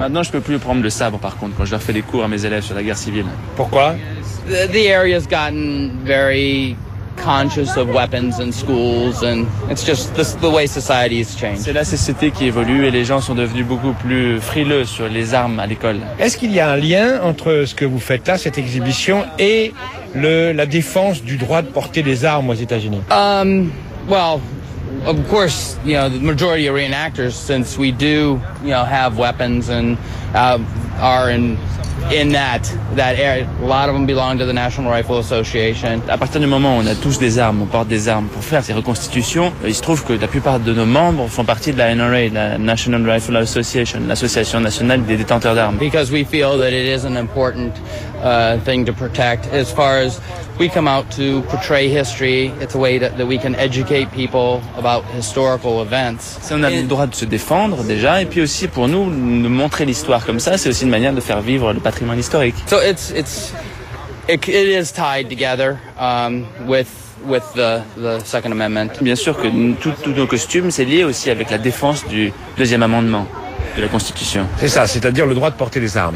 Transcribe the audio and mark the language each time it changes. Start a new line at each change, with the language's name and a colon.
French: Maintenant, je peux plus prendre le sabre, par contre, quand je leur fais des cours à mes élèves sur la guerre civile. Pourquoi?
English: The area's gotten very conscious of weapons and schools, and it's just the way society has changed.
French: C'est la société qui évolue et les gens sont devenus beaucoup plus frileux sur les armes à l'école. Est-ce qu'il y a un lien entre ce que vous faites là, cette exhibition, et la défense du droit de porter des armes aux États-Unis?
English: Well, of course, you know, the majority of reenactors, since we do, you know, have weapons and are in that area, a lot of them belong to the National Rifle Association.
French: À partir du moment où on a tous des armes, on porte des armes pour faire ces reconstitutions, il se trouve que la plupart de nos membres font partie de la NRA, la National Rifle Association, l'association nationale des détenteurs d'armes.
English: Because we feel that it is an important thing to protect. As far as we come out to portray history, it's a way that we can educate people about historical events.
French: C'est on a le droit de se défendre déjà, et puis aussi pour nous de montrer l'histoire comme ça, c'est aussi une manière de faire vivre le patrimoine historique.
English: So it is tied together with the Second Amendment.
French: Bien sûr que tous nos costumes, c'est lié aussi avec la défense du deuxième amendement de la Constitution. C'est ça, c'est-à-dire le droit de porter des armes.